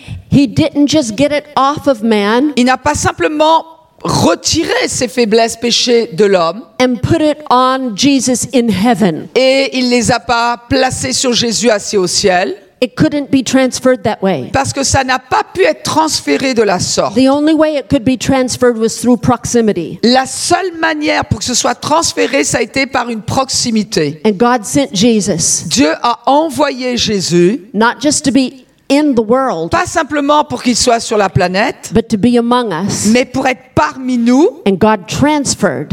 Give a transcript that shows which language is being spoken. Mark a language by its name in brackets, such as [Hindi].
[English] he didn't just get it off of man, [French] il n'a pas simplement retiré ses faiblesses péchés de l'homme [English] and put it on Jesus in heaven. [French] Et il les a pas placés sur Jésus assis au ciel. [English] It couldn't be transferred that way. [French] Parce que ça n'a pas pu être transféré de la sorte. [English] The only way it could be transferred was through proximity. [French] La seule manière pour que ce soit transféré, ça a été par une proximité. [English] And God sent Jesus. [French] Dieu a envoyé Jésus. [English] Not just to be in the world. [French] Pas simplement pour qu'il soit sur la planète. [English] But to be among us. [French] Mais pour être parmi nous. [English] And God transferred.